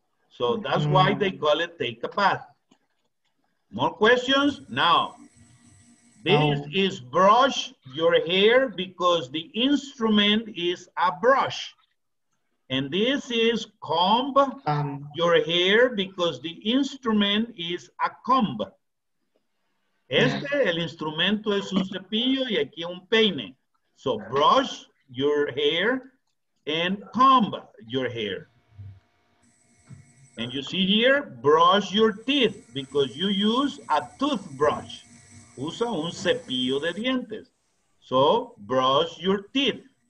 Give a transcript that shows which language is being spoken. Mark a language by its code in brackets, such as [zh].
[en] So that's why they call it take a bath. More questions? Now, this is brush your hair because the instrument is a brush. And this is comb your hair because the instrument is a comb. [es] Este, el instrumento es un cepillo y aquí un peine. [en] So brush your hair and comb your hair. And you see here, brush your teeth because you use a toothbrush. [es] Usa un cepillo de dientes. [en] So brush your teeth.